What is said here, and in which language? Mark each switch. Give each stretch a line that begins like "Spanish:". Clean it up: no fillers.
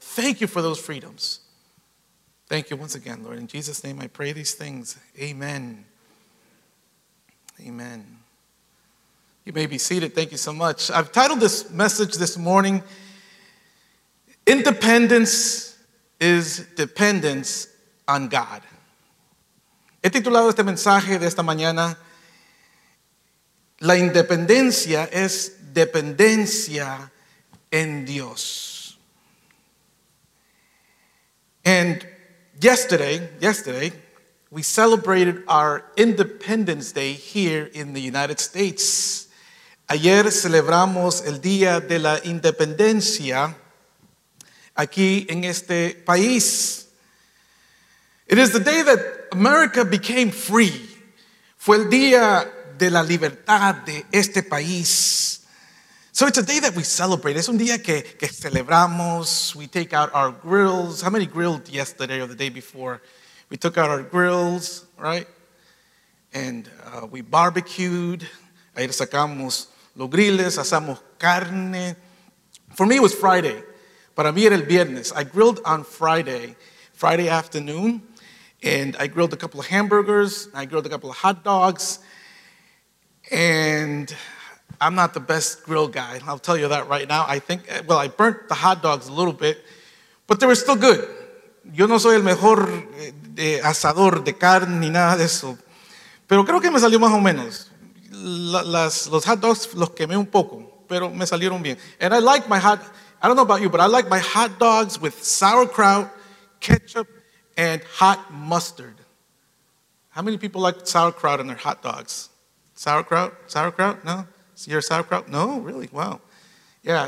English: Thank you for those freedoms. Thank you once again, Lord. In Jesus' name I pray these things. Amen. Amen. You may be seated. Thank you so much. I've titled this message this morning, "Independence is Dependence on God."
Spanish: He titulado este mensaje de esta mañana, "La independencia es dependencia en Dios."
English: And yesterday, we celebrated our Independence Day here in the United States.
Spanish: Ayer celebramos el Día de la Independencia aquí en este país.
English: It is the day that America became free.
Spanish: Fue el Día de la Libertad de este país.
English: So it's a day that we celebrate.
Spanish: Es un día que celebramos.
English: We take out our grills. How many grilled yesterday or the day before? We took out our grills, right? And we barbecued.
Spanish: Ahí sacamos los grilles, asamos carne.
English: For me, it was Friday.
Spanish: Para mí era el viernes.
English: I grilled on Friday afternoon. And I grilled a couple of hamburgers. I grilled a couple of hot dogs. And I'm not the best grill guy. I'll tell you that right now. I burnt the hot dogs a little bit, but they were still good.
Spanish: Yo no soy el mejor de asador de carne ni nada de eso. Pero creo que me salió más o menos. Los hot dogs los quemé un poco, pero me salieron bien.
English: And I like my hot, I don't know about you, but I like my hot dogs with sauerkraut, ketchup, and hot mustard. How many people like sauerkraut in their hot dogs? Sauerkraut? No? You're a sauerkraut? No? Really? Wow. Yeah.